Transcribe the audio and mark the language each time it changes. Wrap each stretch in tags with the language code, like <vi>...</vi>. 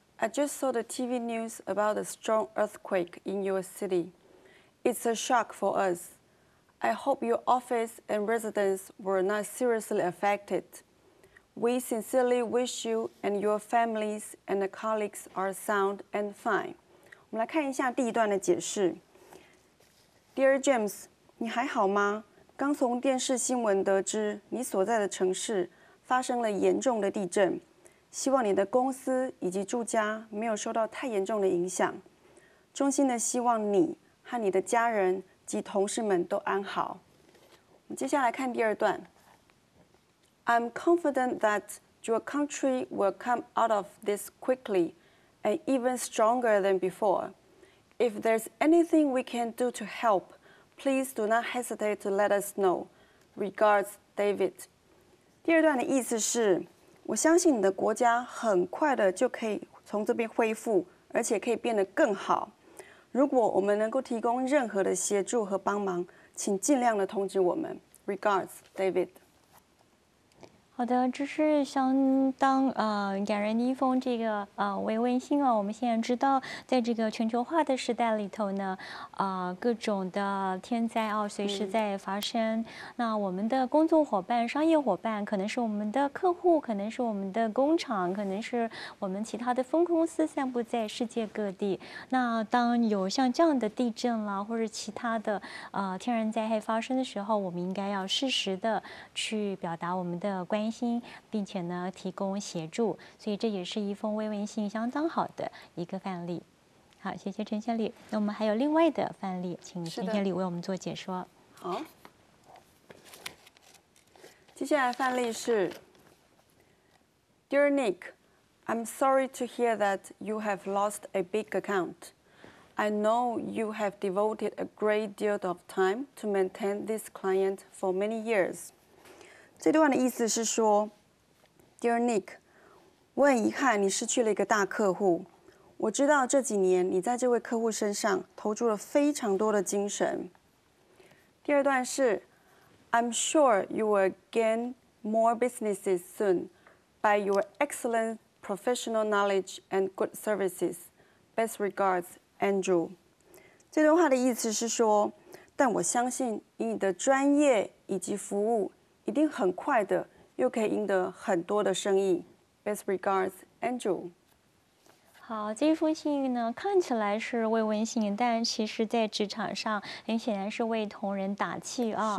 <en>I just saw the TV news about a strong earthquake in your city. It's a shock for us. I hope your office and residents were not seriously affected. We sincerely wish you and your families and colleagues are sound and fine.</en> <zh>我们来看一下第一段的解释。 Dear James, 你还好吗？刚从电视新闻得知你所在的城市发生了严重的地震，希望你的公司以及住家没有受到太严重的影响。衷心的希望你和你的家人及同事们都安好。我们接下来看第二段。</zh> <en>I'm confident that your country will come out of this quickly and even stronger than before. If there's anything we can do to help, please do not hesitate to let us know. Regards, David.</en> <zh>第二段的意思是，我相信你的国家很快的就可以从这边恢复，而且可以变得更好。如果我们能够提供任何的协助和帮忙，请尽量的通知我们。</zh> <en>Regards, David.</en> <zh>好的，这是相当感人的一封这个慰问信哦。我们现在知道，在这个全球化的时代里头呢，各种的天灾哦，随时在发生。那我们的工作伙伴、商业伙伴，可能是我们的客户，可能是我们的工厂，可能是我们其他的分公司，散布在世界各地。那当有像这样的地震啦，或者其他的天然灾害发生的时候，我们应该要适时的去表达我们的关心，并且呢提供协助，所以这也是一封慰问信相当好的一个范例。好，谢谢陈先礼。那我们还有另外的范例，请陈先礼为我们做解说。</zh> <en>好，接下来范例是 Dear Nick, I'm sorry to hear that you have lost a big account. I know you have devoted a great deal of time to maintain this client for many years.</en> <zh>这段的意思是说 ，Dear Nick， 我很遗憾你失去了一个大客户。我知道这几年你在这位客户身上投注了非常多的精神。</zh> <en>第二段是，I'm sure you will gain more businesses soon by your excellent professional knowledge and good services. Best regards, Andrew。</en> <zh>这段话的意思是说，但我相信以你的专业以及服务。一定很快的，又可以赢得很多的生意。</zh> <en>Best regards, Andrew。</en> <zh>好，这一封信呢，看起来是慰问信，但其实在职场上很显然是为同仁打气啊。</zh>